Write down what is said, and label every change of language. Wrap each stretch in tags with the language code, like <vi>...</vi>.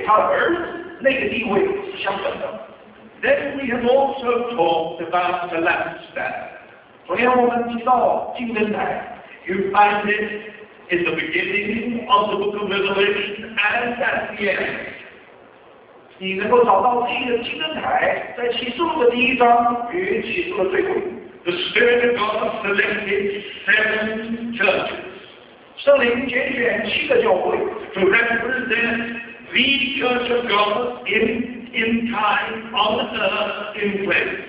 <zh>我们必须给我们的主一个地位，好像神父神给他儿子那个地位是相等的。</zh> <en>Then we have also talked about the lampstand.</en> <zh>昨天我们提到金灯台。</zh> <en>You find it in the beginning of the book of Revelation and at the end.</en> <zh>你能够找到自己的金灯台，在启示录的第一章与启示录的最后。</zh> <en>The Spirit of God selected 7 churches.</en> <zh>圣灵拣选7个教会。</zh> <en>To represent the Church of God in time, on earth, in place.</en>